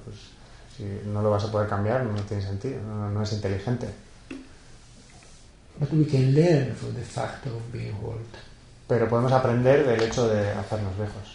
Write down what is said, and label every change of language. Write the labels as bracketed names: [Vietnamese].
[Spanish] Pues si no lo vas a poder cambiar, no tiene sentido, no es inteligente. [English] But we can learn from the fact of being old. [Spanish] Pero podemos aprender del hecho de hacernos viejos.